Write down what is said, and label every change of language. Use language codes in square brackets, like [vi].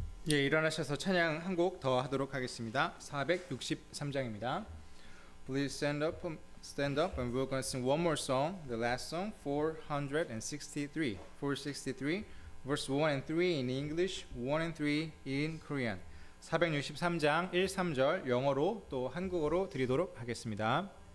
[ko] 예, 일어나셔서 찬양 한 곡 더 하도록 하겠습니다. 463장입니다. [en] Please stand up and we're going to sing one more song, the last song, 463, verse 1 and 3 in English, 1 and 3 in Korean. [ko] 463장 1, 3절 영어로 또 한국어로 드리도록 하겠습니다.